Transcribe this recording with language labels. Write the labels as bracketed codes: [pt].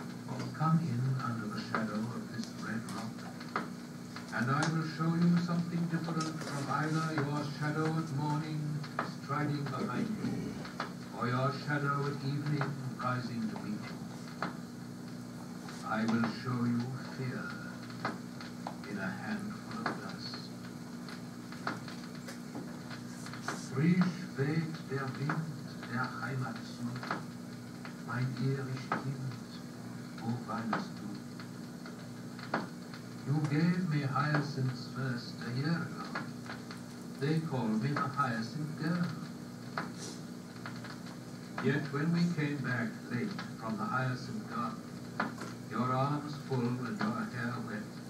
[en] Oh, come in under the shadow of this red rock, and I will show you something different from either your shadow at morning striding behind you, or your shadow at evening rising to meet you. I will show you fear in a handful of dust. [de] Frisch weht der Wind der Heimat zu, mein ehrlich Kind, wo weinst du? [en] You gave me hyacinths first a year ago. They call me the hyacinth girl. Yet when we came back late from the hyacinth garden, your arms full and your hair wet.